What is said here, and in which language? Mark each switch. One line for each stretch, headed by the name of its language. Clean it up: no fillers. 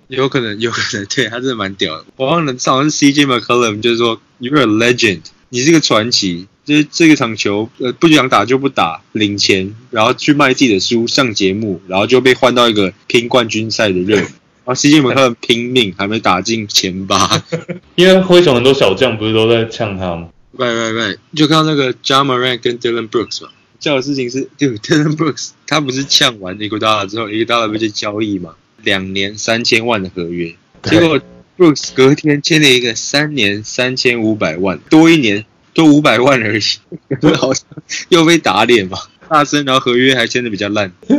Chinese: 有可能，有可能，对他真的蛮屌的。我忘了上次 CJ McCollum 就是说
English: You're a legend，
Chinese: 你是个传奇。就是这个场球，不想打就不打，领钱，然后去卖自己的书，上节目，然后就被换到一个拼冠军赛的热。然后CJ McCollum拼命，还没打进前八。因为灰熊很多小将不是都在呛他吗？Right， 就看到那个 Ja Morant 跟 Dylan Brooks 嘛。叫的事情是 ，Dylan Brooks 他不是呛完 Iguodala 之后 ，Iguodala 不就交易嘛？ 2年3000万的合约，结果 Brooks 隔天签了一个3年3500万，多一年。都500万而已，好像又被打脸嘛，大声，然后合约还签的比较烂。